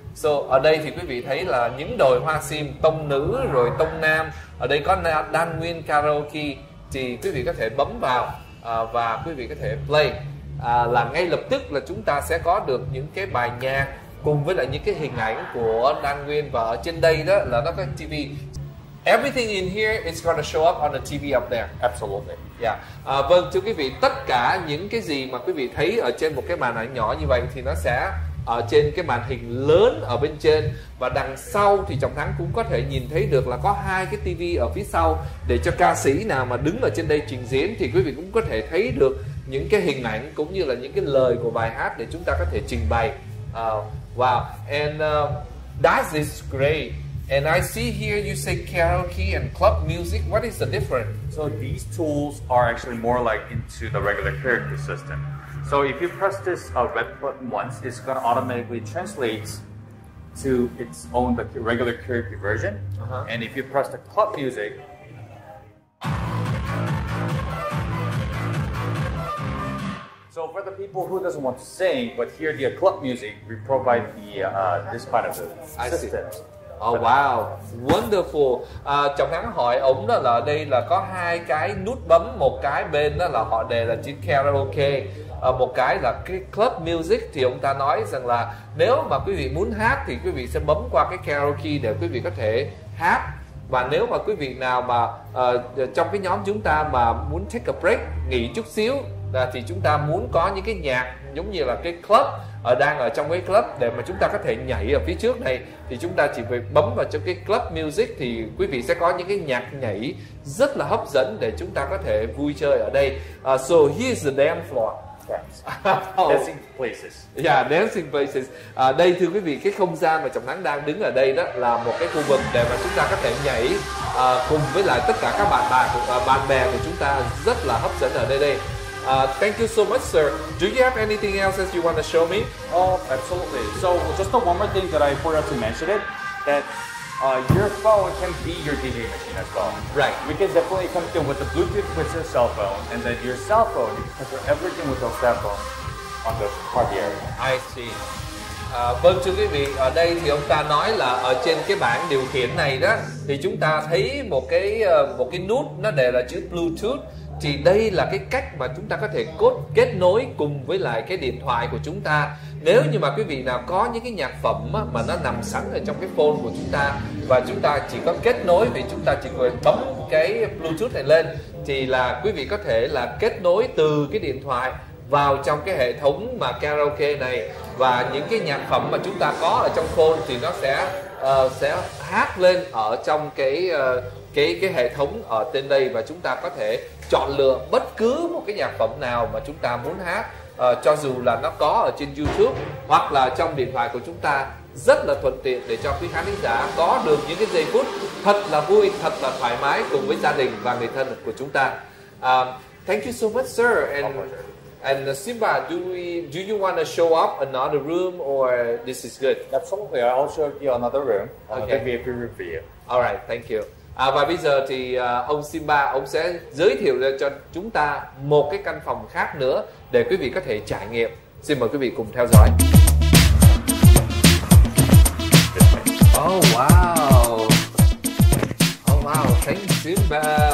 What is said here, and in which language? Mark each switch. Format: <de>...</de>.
<vi>So ở đây thì quý vị thấy là Những Đồi Hoa Sim, Tông Nữ rồi Tông Nam. Ở đây có Đan Nguyên karaoke. Thì quý vị có thể bấm vào và quý vị có thể play là ngay lập tức là chúng ta sẽ có được những cái bài nhạc cùng với lại những cái hình ảnh của Đan Nguyên. Và ở trên đây đó là nó có TV.</vi> <en>Everything in here is going to show up on the TV up there. Absolutely. Yeah.</en> <vi>Vâng, thưa quý vị, tất cả những cái gì mà quý vị thấy ở trên một cái màn ảnh nhỏ như vậy thì nó sẽ ở trên cái màn hình lớn ở bên trên, và đằng sau thì Trọng Thắng cũng có thể nhìn thấy được là có hai cái TV ở phía sau để cho ca sĩ nào mà đứng ở trên đây trình diễn thì quý vị cũng có thể thấy được những cái hình ảnh cũng như là những cái lời của bài hát để chúng ta có thể trình bày.</vi> <en>Wow, and that is great. And I see here you say karaoke and club music. What is the difference? So these tools are actually more like into the regular karaoke system. So if you press this red button once, it's going to automatically translate to its own the regular karaoke version. Uh-huh. And if you press the club music, so for the people who doesn't want to sing but hear the club music, we provide the this part of the system. Oh wow, wonderful.</en> <vi>Trọng Thắng hỏi ổng đó là đây là có hai cái nút bấm, một cái bên đó là họ đề là chữ karaoke, một cái là cái club music, thì ông ta nói rằng là nếu mà quý vị muốn hát thì quý vị sẽ bấm qua cái karaoke để quý vị có thể hát. Và nếu mà quý vị nào mà trong cái nhóm chúng ta mà muốn</vi> <en>take a break,</en> <vi>nghỉ chút xíu, thì chúng ta muốn có những cái nhạc giống như là cái club đang ở trong cái club để mà chúng ta có thể nhảy ở phía trước này, thì chúng ta chỉ phải bấm vào trong cái club music thì quý vị sẽ có những cái nhạc nhảy rất là hấp dẫn để chúng ta có thể vui chơi ở đây.</vi> <en>So here's the dance floor. Dancing places. Yeah, dancing places.</en> <vi>Đây thưa quý vị, cái không gian mà Trọng Thắng đang đứng ở đây đó là một cái khu vực để mà chúng ta có thể nhảy cùng với lại tất cả các bạn bè của chúng ta, rất là hấp dẫn ở đây đây.</vi> <en>Thank you so much, sir. Do you have anything else that you want to show me? Oh, absolutely. So just the one more thing that I forgot to mention it, that your phone can be your DJ machine as well. Right. We can definitely come through with the Bluetooth with your cell phone, and then your cell phone, you can control everything with your cell phone on the party area. I see.</en> <vi>Vâng, thưa quý vị, ở đây thì ông ta nói là ở trên cái bảng điều khiển này đó, thì chúng ta thấy một cái nút nó đề là chữ Bluetooth. Thì đây là cái cách mà chúng ta có thể kết nối cùng với lại cái điện thoại của chúng ta. Nếu như mà quý vị nào có những cái nhạc phẩm mà nó nằm sẵn ở trong cái phone của chúng ta và chúng ta chỉ có kết nối, vì chúng ta chỉ cần bấm cái Bluetooth này lên thì là quý vị có thể là kết nối từ cái điện thoại vào trong cái hệ thống mà karaoke này, và những cái nhạc phẩm mà chúng ta có ở trong phone thì nó sẽ hát lên ở trong cái hệ thống ở trên đây, và chúng ta có thể chọn lựa bất cứ một cái nhạc phẩm nào mà chúng ta muốn hát, cho dù là nó có ở trên YouTube hoặc là trong điện thoại của chúng ta, rất là thuận tiện để cho quý khán giả có được những cái giây phút thật là vui, thật là thoải mái cùng với gia đình và người thân của chúng ta.</vi> <en>Thank you so much, sir. And Simba, do you want to show up another room or this is good? Absolutely, I'll show you another room. Okay. Give me a few room for you. All right, thank you.</en> <vi>Và bây giờ thì ông Simba ông sẽ giới thiệu cho chúng ta một cái căn phòng khác nữa để quý vị có thể trải nghiệm. Xin mời quý vị cùng theo dõi.</vi> <en>Oh wow. Oh wow, thank you Simba.</en>